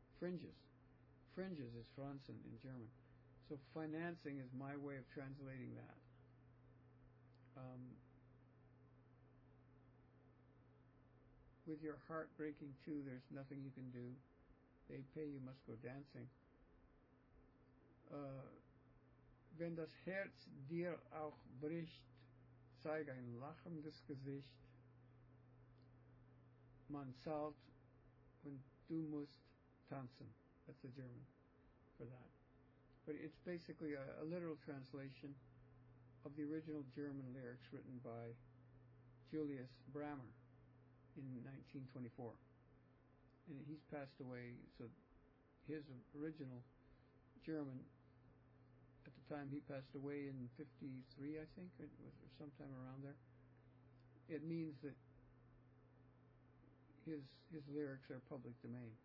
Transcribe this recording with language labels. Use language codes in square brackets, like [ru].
[en] Fringes is Franzen in German. So financing is my way of translating that. With your heart breaking too, there's nothing you can do. They pay, you must go dancing. [de] Wenn das Herz dir auch bricht, zeig ein lachendes Gesicht. Man zahlt und du musst tanzen. [en] That's the German for that. But it's basically a literal translation of the original German lyrics written by Julius Brammer in 1924. and he's passed away, so his original German, at the time he passed away in 53, I think, or sometime around there, it means that his lyrics are public domain.